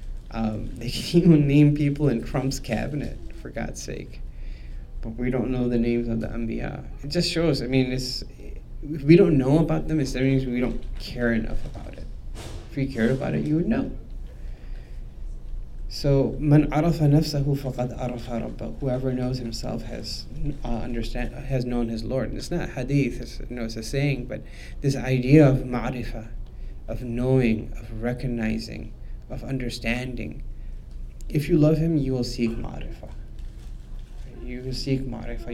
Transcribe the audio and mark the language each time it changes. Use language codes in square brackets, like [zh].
[en] They can even name people in Trump's cabinet, for God's sake. But we don't know the names of the Anbiya. It just shows, I mean, if we don't know about them, it means we don't care enough about it. If we cared about it, you would know. [ar] So, من عرف نفسه فقد عرف ربه. [en] Whoever knows himself has known his Lord. And it's not a hadith, it's a saying, but this idea of ma'rifah, of knowing, of recognizing, of understanding. If you love him, you will seek ma'rifah. You will seek ma'rifah.